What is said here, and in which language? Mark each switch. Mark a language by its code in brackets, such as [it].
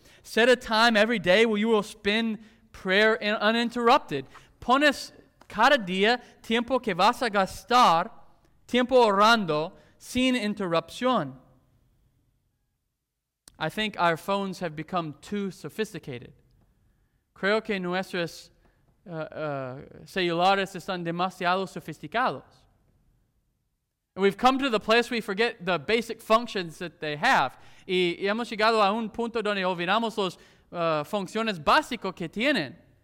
[en] Set a time every day where you will spend prayer uninterrupted. [es] Pones cada día tiempo que vas a gastar, tiempo orando, sin interrupción. [en] I think our phones have become too sophisticated. [es] Creo que nuestros celulares están demasiado sofisticados. [en] And we've come to the place we forget the basic functions that they have. [es] Y hemos llegado a un punto donde olvidamos las funciones básicas que tienen.